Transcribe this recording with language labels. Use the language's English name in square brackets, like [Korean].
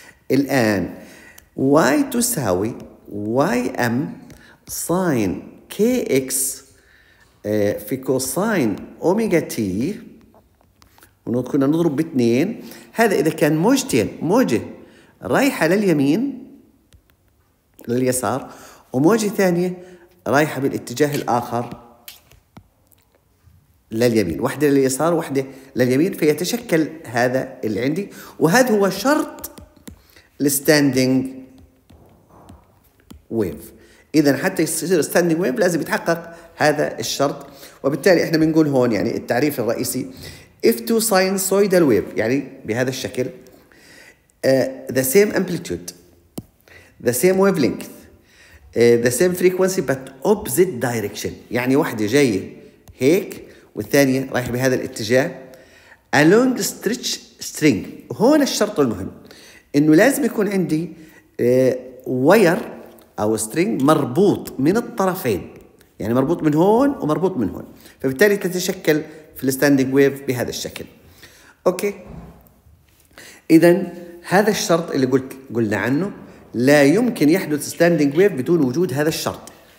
[Arabic] الآن Y تساوي YM ساين KX في كوساين أوميجا T، كنا نضرب باثنين، هذا إذا كان موجتين، موجة رايحة لليمين لليسار وموجة ثانية رايحة بالاتجاه الآخر لليمين، واحدة لليسار واحدة لليمين، فيتشكل هذا اللي عندي. وهذا هو شرط الستاندينج ويف. إذا حتى يصير ستاندينج ويف لازم يتحقق هذا الشرط. وبالتالي احنا بنقول هون يعني التعريف الرئيسي [English] if two sinusoidal wave [Arabic] يعني بهذا الشكل [English] the same amplitude, the same wavelength, the same frequency but opposite direction، [Arabic] يعني واحدة جاية هيك والثانية رايح بهذا الاتجاه [English] along stretch string. [Arabic] هون الشرط المهم انه لازم يكون عندي واير او string مربوط من الطرفين، يعني مربوط من هون ومربوط من هون، فبالتالي تتشكل في الستاندينج ويف بهذا الشكل. اوكي، اذا هذا الشرط اللي قلنا عنه، لا يمكن يحدث ستاندينج ويف بدون وجود هذا الشرط.